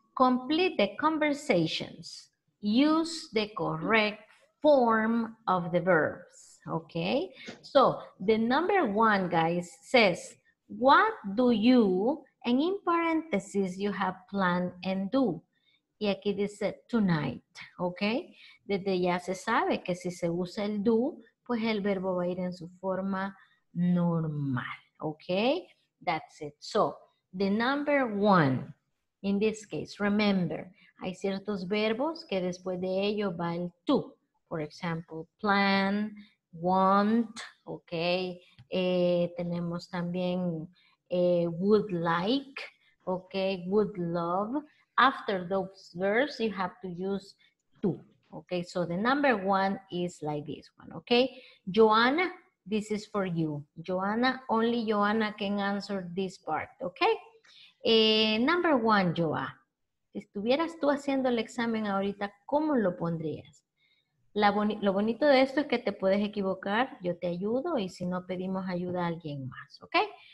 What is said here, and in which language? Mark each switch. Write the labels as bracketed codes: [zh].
[en] Complete the conversations. Use the correct form of the verbs, okay? So the number one, guys, says, what do you, and in parentheses you have plan and do. [es] Y aquí dice tonight, ¿ok? Desde ya se sabe que si se usa el do, pues el verbo va a ir en su forma normal, ¿ok? [en] That's it. So, the number one, in this case, remember, [es] hay ciertos verbos que después de ello va el to. [en] For example, plan, want, ¿ok? [es] Tenemos también would like, ¿ok? Would love. [en] After those verbs, you have to use to. Okay, so the number one is like this one, okay? Joanna, this is for you. Joanna, only Joanna can answer this part, okay? Number one, Joa. [es] Si estuvieras tú haciendo el examen ahorita, ¿cómo lo pondrías? Lo bonito de esto es que te puedes equivocar, yo te ayudo, y si no, pedimos ayuda a alguien más, okay?